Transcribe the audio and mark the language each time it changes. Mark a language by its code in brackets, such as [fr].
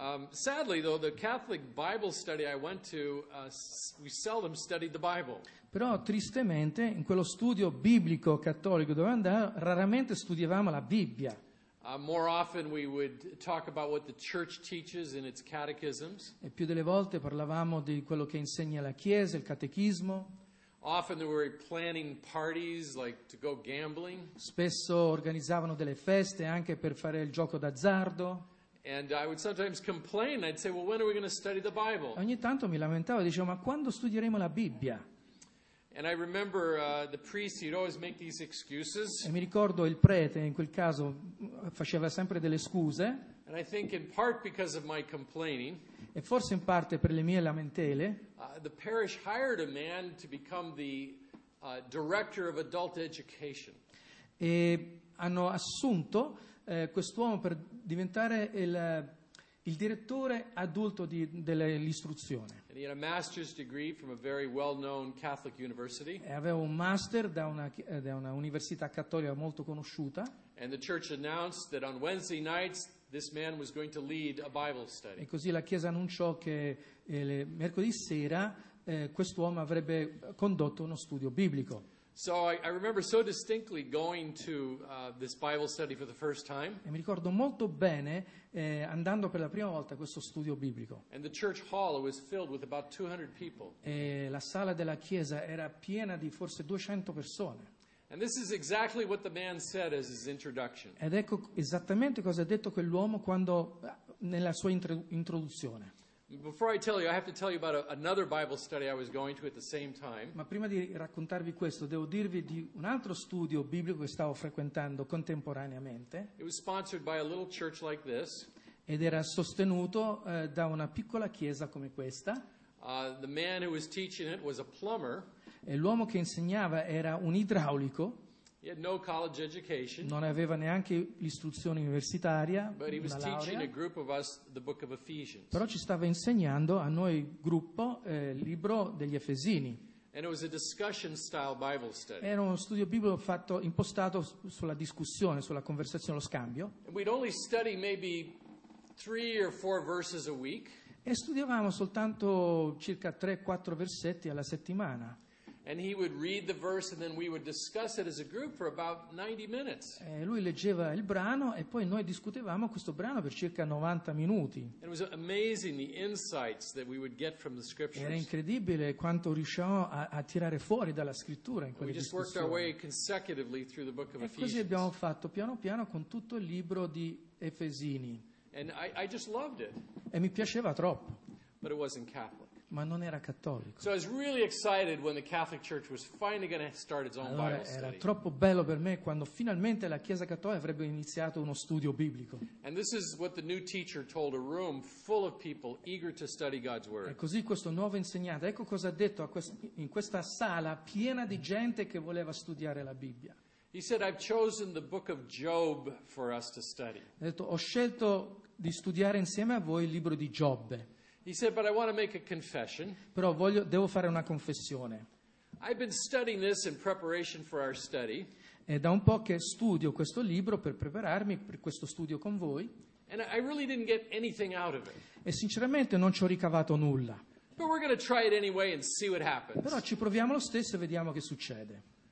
[en] Sadly, though, the Catholic Bible study I went to, we seldom studied the Bible. [it] Però tristemente, in quello studio biblico cattolico dove andavo, raramente studiavamo la Bibbia. [en] More often we would talk about what the Church teaches in its catechisms. [it] E più delle volte parlavamo di quello che insegna la Chiesa, il catechismo. [en] Often they were planning parties, like to go gambling. [it] Spesso organizzavano delle feste anche per fare il gioco d'azzardo. [en] And I would sometimes complain. I'd say, "Well, when are we going to study the Bible?" [it] Ogni tanto mi lamentavo, dicevo, "Ma quando studieremo la Bibbia?" [en] And I remember the priest, he'd always make these excuses. [it] E mi ricordo il prete, in quel caso, faceva sempre delle scuse. [en] And I think in part because of my complaining. [it] E forse in parte per le mie lamentele. [en] The parish hired a man to become the director of adult education. [it] E hanno assunto quest'uomo per diventare il direttore adulto dell'istruzione. [en] And he had a master's degree from a very well-known Catholic university. [it] E aveva un master da una università cattolica molto conosciuta. [en] And the church announced that on Wednesday nights this man was going to lead a Bible study. [it] E così la chiesa annunciò che mercoledì sera quest'uomo avrebbe condotto uno studio biblico. [en] So I remember so distinctly going to this Bible study for the first time. [it] E mi ricordo molto bene andando per la prima volta a questo studio biblico. [en] And the church hall was filled with about 200 people. [it] E la sala della chiesa era piena di forse 200 persone. [en] And this is exactly what the man said as his introduction. [it] Ed ecco esattamente cosa ha detto quell'uomo quando nella sua introduzione. [en] Before I tell you, I have to tell you about another Bible study I was going to at the same time. [it] Ma prima di raccontarvi questo, devo dirvi di un altro studio biblico che stavo frequentando contemporaneamente. [en] It was sponsored by a little church like this. [it] Ed era sostenuto da una piccola chiesa come questa. [en] The man who was teaching it was a plumber. [it] E l'uomo che insegnava era un idraulico. [en] He had no college education. [it] Non aveva neanche l'istruzione universitaria, [en] but he was [it] una laurea. [en] Teaching a group of us the book of Ephesians. [it] Però ci stava insegnando a noi gruppo il libro degli Efesini. [en] And it was a discussion style Bible study. [it] Era uno studio biblico fatto impostato sulla discussione, sulla conversazione, lo scambio. [en] And we'd only study maybe 3 or 4 verses a week. [it] E studiavamo soltanto circa 3-4 versetti alla settimana. [en] And he would read the verse and then we would discuss it as a group for about 90 minutes. [it] E lui leggeva il brano e poi noi discutevamo questo brano per circa 90 minuti. [en] And it was amazing the insights that we would get from the scriptures. [it] Era incredibile quanto riuscivamo a tirare fuori dalla scrittura in quelle discussioni. [en] We just worked our way consecutively through the book of Ephesians. [it] E così abbiamo fatto piano piano con tutto il libro di Efesini. [en] And I just loved it. [it] E mi piaceva troppo. [en] But it wasn't Catholic. [it] Ma non era cattolico. [en] So I was really excited when the Catholic Church was finally going to start its own [it] allora, [en] Bible study. [it] Era troppo bello per me quando finalmente la Chiesa Cattolica avrebbe iniziato uno studio biblico. [en] And this is what the new teacher told a room full of people eager to study God's word. [it] E così questo nuovo insegnante, ecco cosa ha detto in questa sala piena di gente che voleva studiare la Bibbia. [en] He said, "I've chosen the book of Job for us to study." [it] Ha detto, "Ho scelto di studiare insieme a voi il libro di Giobbe." [en] He said, "But I want to make a confession." [it] Però devo fare una confessione. [en] I've been studying this in preparation for our study. [it] È da un po' che studio questo libro per prepararmi per questo studio con voi. [en] And I really didn't get anything out of it. [it] E sinceramente non ci ho ricavato nulla. [en] But we're going to try it anyway and see what happens. [it] Però ci proviamo lo stesso e vediamo che succede.